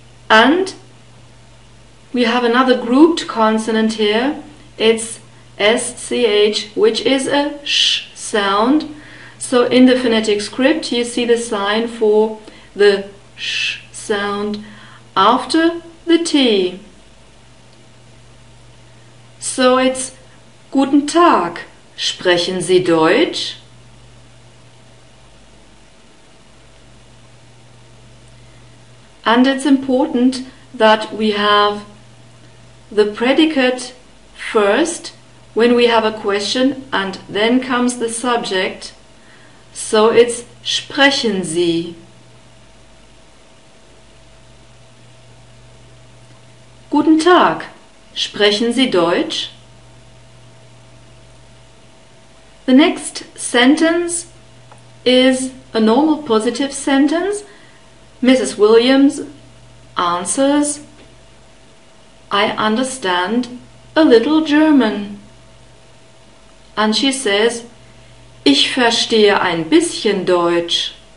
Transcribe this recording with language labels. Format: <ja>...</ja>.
<en>And we have another grouped consonant here. It's SCH, which is a SH sound. So in the phonetic script, you see the sign for the SH sound after the T. So it's</en> <de>Guten Tag, sprechen Sie Deutsch?</de> <en>And it's important that we have the predicate first when we have a question and then comes the subject. So it's</en> <de>sprechen Sie. Guten Tag, sprechen Sie Deutsch?</de> <en>The next sentence is a normal positive sentence. Mrs. Williams answers, I understand a little German. And she says,</en> <de>ich verstehe ein bisschen Deutsch.</de>